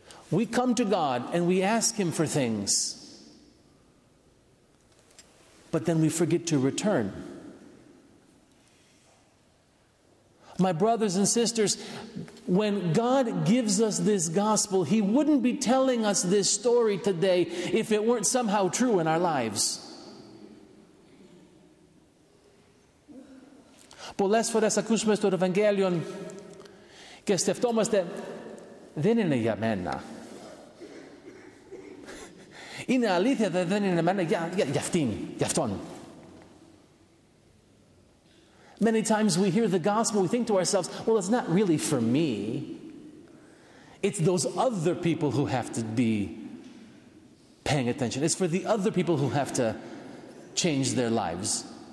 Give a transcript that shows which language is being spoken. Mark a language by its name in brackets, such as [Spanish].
[English] We come to God and we ask Him for things, but then we forget to return. My brothers and sisters, when God gives us this gospel, He wouldn't be telling us this story today if it weren't somehow true in our lives. [Greek] Πολλές φορές ακούσουμε στο Ευαγγέλιο και σκεφτόμαστε, δεν είναι για μένα. Είναι αλήθεια, δεν είναι για μένα, για αυτήν, για αυτόν. [English] Many times we hear the gospel, we think to ourselves, well, it's not really for me. It's those other people who have to be paying attention. It's for the other people who have to change their lives.